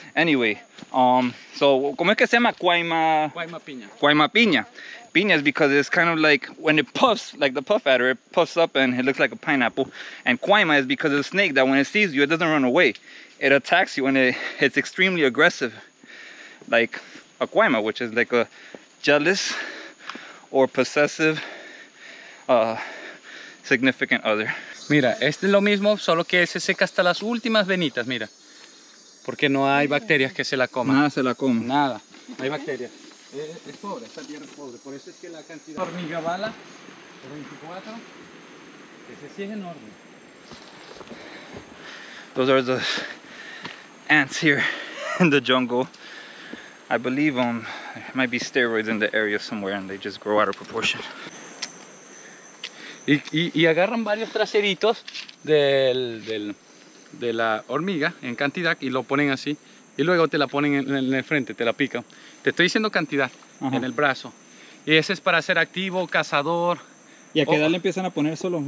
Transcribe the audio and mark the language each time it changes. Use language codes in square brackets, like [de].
[en] Anyway, so [es] ¿cómo es que se llama cuayma? Cuayma piña. Cuayma piña. [en] Piña is because it's kind of like when it puffs, like the puff adder, it puffs up and it looks like a pineapple. And cuayma is because of the snake that when it sees you, it doesn't run away. It attacks you and it's extremely aggressive, like a cuayma, which is like a jealous or possessive significant other. [es] Mira, este es lo mismo, solo que se seca hasta las últimas venitas, mira. Porque no hay bacterias que se la coman. Nada se la comen. Nada, hay bacterias. Es pobre, esta tierra es pobre. Por eso es que la cantidad... Hormiga bala, 24. Ese sí es enorme. [en] Those are the ants here in the jungle. I believe there might be steroids in the area somewhere and they just grow out of proportion. [es] Y agarran varios traseritos de la hormiga en cantidad y lo ponen así. Y luego te la ponen en el frente, te la pican. Te estoy diciendo cantidad en el brazo. Y ese es para ser activo, cazador. ¿Y a qué edad le empiezan a poner solo?